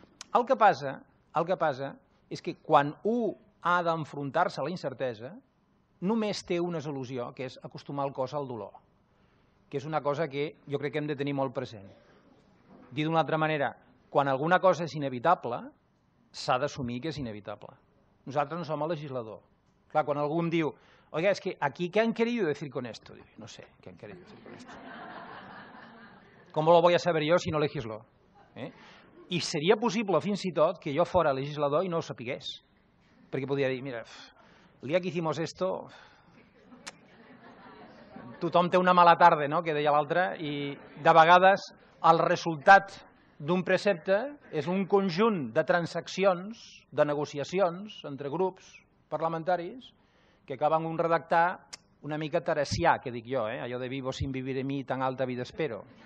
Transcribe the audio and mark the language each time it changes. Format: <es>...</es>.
<ca>El que passa és que quan un ha d'enfrontar-se a la incertesa, només té una solució, que és acostumar el cos al dolor, que és una cosa que jo crec que hem de tenir molt present. Dit d'una altra manera, quan alguna cosa és inevitable, s'ha d'assumir que és inevitable. Nosaltres no som el legislador. Clar, quan algú em diu, oiga, és que aquí</ca> <es>què han querido decir con esto?</es> <ca>Diu, no sé, què</ca> <es>han querido decir con esto. ¿Cómo lo voy a saber yo si no legislo?</es> <ca>I seria possible, fins i tot, que jo fora legislador i no ho sapigués. Perquè podria dir, mira, el dia que</ca> <es>hicimos esto,</es> <ca>tothom té una mala tarda, no?, que deia l'altre, i de vegades el resultat d'un precepte és un conjunt de transaccions, de negociacions entre grups parlamentaris que acaben un redactar una mica teresià, que dic jo, allò de</ca> <es>vivo sin vivir en mi, tan alta vida espero.</es>